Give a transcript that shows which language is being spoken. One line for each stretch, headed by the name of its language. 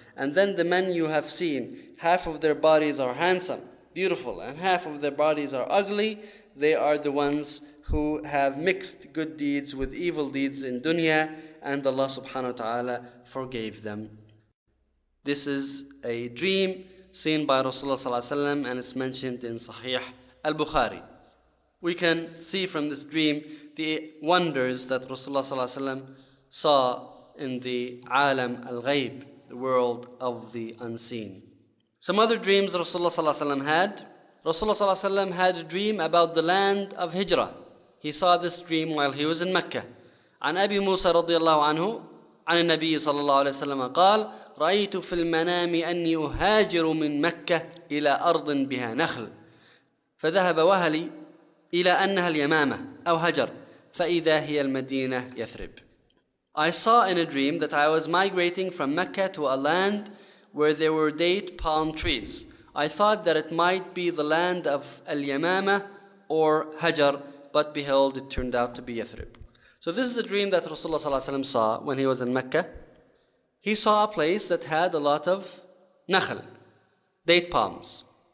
English: And then the men you have seen, half of their bodies are handsome, beautiful, and half of their bodies are ugly. They are the ones who have mixed good deeds with evil deeds in dunya, and Allah subhanahu wa ta'ala forgave them. This is a dream seen by Rasulullah sallallahu alayhi wa sallam, and it's mentioned in Sahih al-Bukhari. We can see from this dream the wonders that Rasulullah sallallahu alayhi wa sallam saw in the alam al-ghayb, the world of the unseen. Some other dreams Rasulullah sallallahu alayhi wa sallam had. Rasulullah sallallahu alayhi wa sallam had a dream about the land of Hijrah. He saw this dream while he was in Mecca.
Arabic: عن أبي موسى رضي الله عنه عن النبي صلى الله عليه وسلم قال رأيت في المنام أني أهاجر من مكة إلى أرض بها نخل فذهب وهلي إلى أنها اليمامة أو هجر فإذا هي المدينة يثرب.
English: I saw in a dream that I was migrating from Mecca to a land where there were date palm trees. I thought that it might be the land of اليمامة or هجر, but behold, it turned out to be Yathrib. So this is a dream that Rasulullah sallallahu alayhi wa sallam saw when he was in Mecca. He saw a place that had a lot of nakhl, date palms.